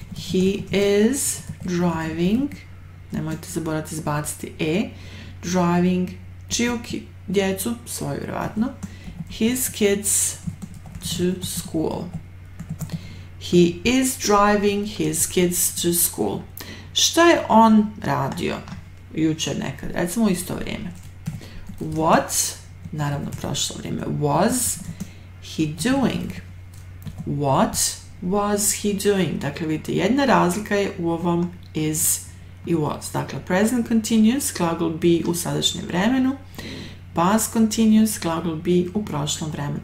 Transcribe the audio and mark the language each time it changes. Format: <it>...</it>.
<en>He is driving.</en> <bs>Nemojte zaboraviti izbaciti e. Driving čiju djecu? Svoju, vjerojatno.</bs> <en>His kids to school. He is driving his kids to school.</en> <bs>Šta je on radio jučer nekad? Recimo u isto vrijeme.</bs> <en>What,</en> <bs>naravno prošlo vrijeme,</bs> <en>was he doing? What was he doing?</en> <bs>Dakle, vidite, jedna razlika je u ovom is i was. Dakle, present continuous, glagol be u sadašnjem vremenu, past continuous, glagol be u prošlom vremenu.</bs>